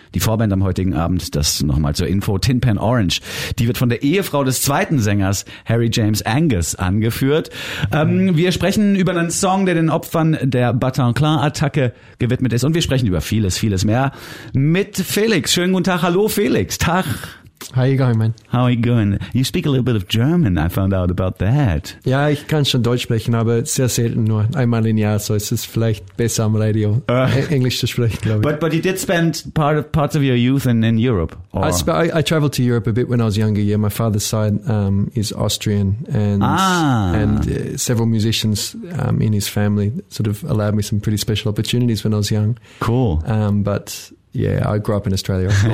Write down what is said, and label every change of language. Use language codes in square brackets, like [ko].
[de] Die Vorband am heutigen Abend, das nochmal zur Info, Tin Pan Orange, die wird von der Ehefrau des zweiten Sängers, Harry James Angus, angeführt. Wir sprechen über einen Song, der den Opfern der Bataclan-Attacke gewidmet ist. Und wir sprechen über vieles, vieles mehr mit Felix. Schönen guten Tag. Hallo, Felix. Tag. [en] How are you going, man? How are you going? You speak a little bit of German, I found out about that. [de] Ja, ich kann schon Deutsch sprechen, aber sehr selten nur. Einmal im Jahr, so ist es vielleicht besser am Radio, Englisch zu sprechen, glaube ich. [en] But you did spend parts of your youth in Europe? I traveled to Europe a bit when I was younger, yeah. My father's side is Austrian and several musicians in his family sort of allowed me some pretty special opportunities when I was young. Cool. But... Yeah, I grew up in Australia.